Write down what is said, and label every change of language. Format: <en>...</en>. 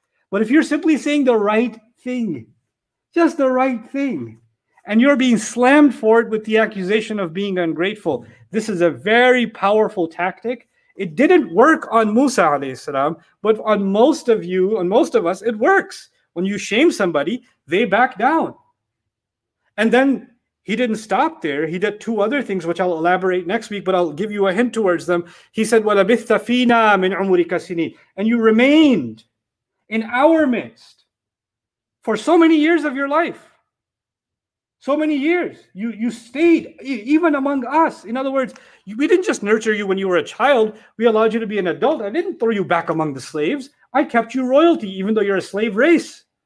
<en>But if you're simply saying the right thing, just the right thing, and you're being slammed for it with the accusation of being ungrateful, this is a very powerful tactic. It didn't work on Musa alayhi salam, but on most of you, on most of us, it works. When you shame somebody, they back down. And then he didn't stop there. He did two other things, which I'll elaborate next week, but I'll give you a hint towards them.</en> <ar>He said, وَلَبِثْتَ فِينَا مِنْ عُمُرِكَ سِنِينَ.</ar> <en>And you remained in our midst for so many years of your life. So many years. You stayed even among us. In other words, we didn't just nurture you when you were a child. We allowed you to be an adult. I didn't throw you back among the slaves. I kept you royalty, even though you're a slave race.</en>